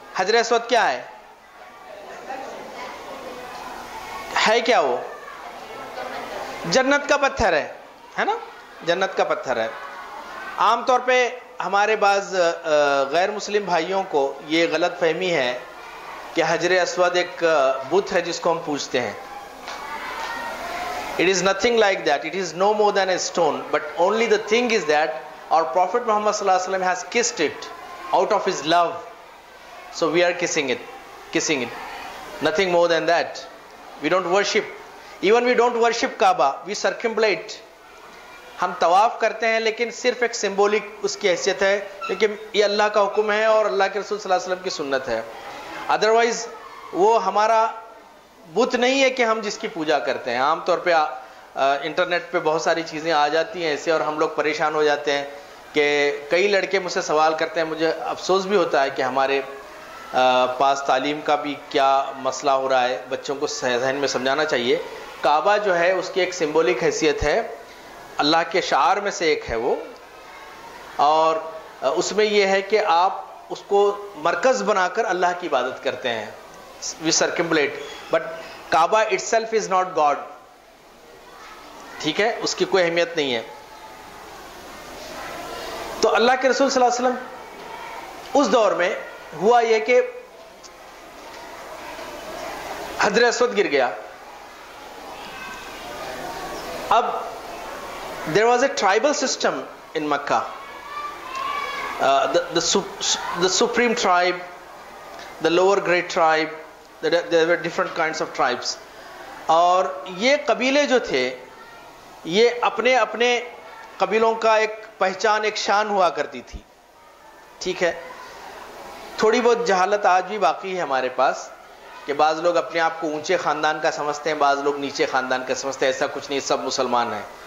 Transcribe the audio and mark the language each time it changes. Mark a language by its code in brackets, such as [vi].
[ur] حجر اسود کیا ہے؟ ہے کیا وہ؟ جنت کا پتھر ہے, ہے نا, جنت کا پتھر ہے. عام طور پہ ہمارے بعض غیر مسلم بھائیوں کو یہ غلط فہمی ہے کہ حجر اسود ایک بت ہے جس کو ہم پوجتے ہیں. [en] It is nothing like that. It is no more than a stone. But only the thing is that our Prophet Muhammad صلی اللہ علیہ وسلم has kissed it out of his love. So we are kissing it. Nothing more than that. We don't worship. Even we don't worship Kaaba. We circumambulate. [ur] ہم طواف کرتے ہیں لیکن صرف ایک سمبولک اس کی حیثیت ہے, لیکن یہ اللہ کا حکم ہے اور اللہ کے رسول صلی اللہ علیہ وسلم کی سنت ہے. Otherwise وہ ہمارا بت نہیں ہے کہ ہم جس کی پوجا کرتے ہیں. عام طور پہ انٹرنیٹ پہ بہت ساری چیزیں آ جاتی ہیں ایسے, اور ہم لوگ پریشان ہو جاتے ہیں کہ کئی لڑکے مجھ سے سوال کرتے ہیں, مجھے افسوس بھی ہوتا ہے کہ ہمارے پاس تعلیم کا بھی کیا مسئلہ ہو رہا ہے. بچوں کو ذہن میں سمجھانا چاہیے, کعبہ جو ہے اس کی ایک سمبولک حیثیت ہے, اللہ کے شعار میں سے ایک ہے وہ, اور اس میں یہ ہے کہ آپ اس کو مرکز بنا کر اللہ کی عبادت کرتے ہیں. [en] We circumambulate, but Kaaba itself is not God. [ur] ٹھیک ہے, اس کی کوئی اہمیت نہیں ہے. تو اللہ کے رسول صلی اللہ علیہ وسلم اس دور میں ہوا یہ کہ حجر اسود گر گیا. [en] اب there was a tribal system in Mecca, the supreme tribe, the lower great tribe, there were different kinds of tribes. [ur] اور یہ قبیلے جو تھے یہ اپنے اپنے قبیلوں کا ایک پہچان, ایک شان ہوا کرتی تھی. ٹھیک ہے, تھوڑی بہت جہالت آج بھی باقی ہے ہمارے پاس کہ بعض لوگ اپنے آپ کو اونچے خاندان کا سمجھتے ہیں, بعض لوگ نیچے خاندان کا سمجھتے ہیں. ایسا کچھ نہیں, سب مسلمان ہیں.